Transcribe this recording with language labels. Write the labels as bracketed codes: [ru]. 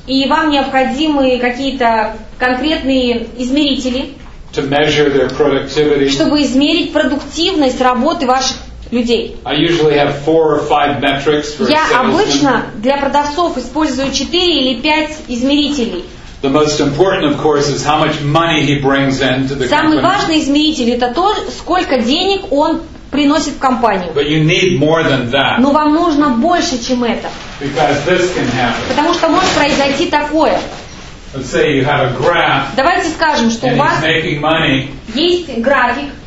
[ru] И вам необходимы какие-то конкретные измерители. [en] To measure their productivity. [ru] Чтобы измерить продуктивность работы ваших людей. [en] I usually have four or five metrics for [ru] Я обычно для продавцов использую 4 или 5 измерителей. [en] The most important, of course, is how much money he brings in to the company. [ru] Самый важный измеритель это то, сколько денег он приносит в компанию. [en] But you need more than that. [ru] Но вам нужно больше, чем это. [en] Because this can happen. [ru] Потому что может произойти такое. [en] Let's say you have a graph. [ru] Давайте скажем, что у вас есть график.